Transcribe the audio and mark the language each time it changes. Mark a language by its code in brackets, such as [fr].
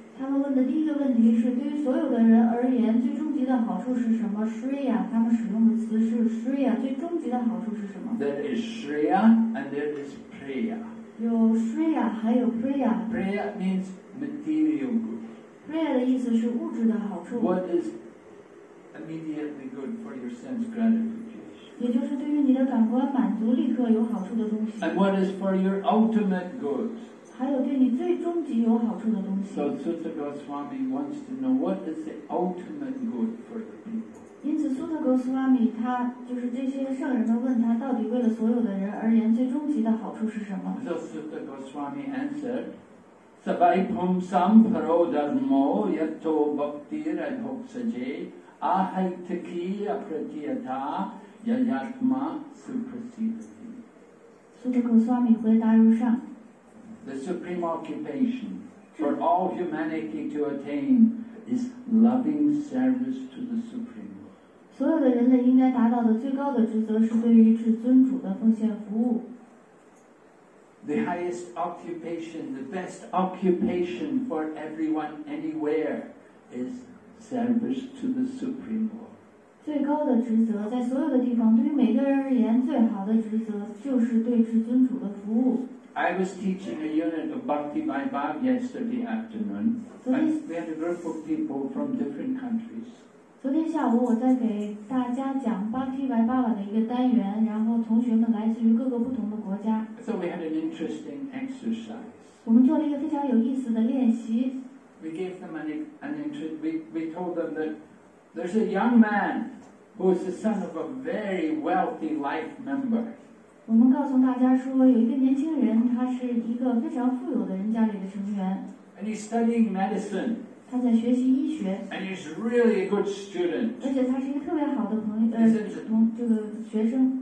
[zh] 他们问的第一个问题是：对于所有的人而言，最终极的好处是什么 ？Shreya， 他们使用的词是 Shreya， 最终极的好处是什么 [en] ？There is Shreya and there is Priya。 [zh] 有 Shreya， 还有 Priya。 [en] Priya means material good。 [zh] Priya 的意思是物质的好处。 [en] What is immediately good for your sense gratification？ [zh] 也就是对于你的感官满足立刻有好处的东西。 [en] And what is for your ultimate good？ [zh] 还有对你最终极有好处的东西。 [en] So Sutta Goswami wants to know what is the ultimate good for the people. [zh] 因此 ，Sutta Goswami 他就是这些圣人们问他，到底为了所有的人而言，最终极的好处是什么 [en] ？So Sutta Goswami answered, [sa] "Sabaipum sam paro dharmo yato bhakti rahoksaje ahaitaki apratiyata yayatma supersedati." [zh] Sutta Goswami 回答如上。 [en] The supreme occupation for all humanity to attain is loving service to the Supreme Lord. [zh] 所有的人类应该达到的最高的职责是对于至尊主的奉献服务。 [en] The highest occupation, the best occupation for everyone anywhere is service to the Supreme Lord. [zh] 最高的职责在所有的地方，对于每个人而言，最好的职责就是对至尊主的服务。 [en] I was teaching a unit of Bhakti Bhai Bhav yesterday afternoon. We had a group of people from different countries. [zh] 昨天下午我在给大家讲 Bhakti Bhai Bhav 的一个单元，然后同学们来自于各个不同的国家。 [en] So we had an interesting exercise. [zh] 我们做了一个非常有意思的练习。 [en] We gave them an interest. We told them that there's a young man who is the son of a very wealthy life member. [zh] 我们告诉大家说，有一个年轻人，他是一个非常富有的人家里的成员。 [en] And he's studying medicine. [zh] 他在学习医学。 [en] And he's really a good student. [zh] 而且他是一个特别好的朋友，这个学生。